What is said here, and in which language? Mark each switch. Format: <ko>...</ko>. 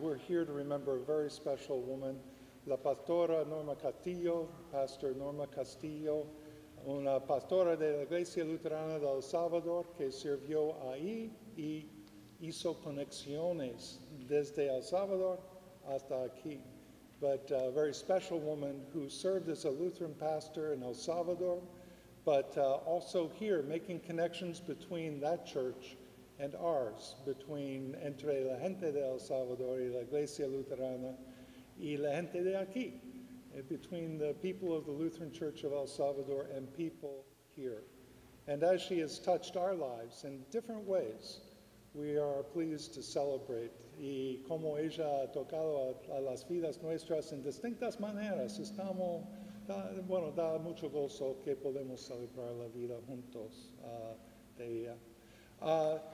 <es>We're here to remember a very special woman, la pastora Norma Castillo, Pastor Norma Castillo, una pastora de la Iglesia Luterana del Salvador que sirvió ahí y hizo conexiones desde El Salvador hasta aquí.</es> <en>But a very special woman who served as a Lutheran pastor in El Salvador, but also here making connections between that church and ours, between</en> <es>entre la gente de El Salvador y la Iglesia Luterana y la gente de aquí,</es> <en>between the people of the Lutheran Church of El Salvador and people here. And as she has touched our lives in different ways, we are pleased to celebrate.</en> <es>Y como ella ha tocado a las vidas nuestras en distintas maneras, estamos, bueno, da mucho gozo que podemos celebrar la vida juntos de ella.</es>